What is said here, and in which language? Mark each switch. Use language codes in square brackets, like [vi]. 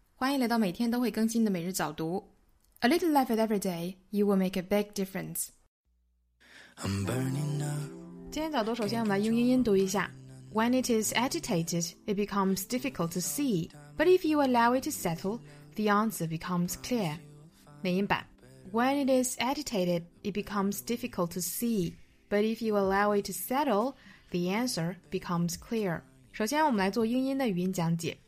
[zh] 欢迎来到每天都会更新的每日早读。 [en] A little life at every day, you will make a big difference. I'm burning up. [zh] 今天早读首先我们来用英音读一下。 [en] When it is agitated, it becomes difficult to see. But if you allow it to settle, the answer becomes clear. [zh] 美音版。 [en] When it is agitated, it becomes difficult to see. But if you allow it to settle, the answer becomes clear. [zh] 首先我们来做英音的语音讲解。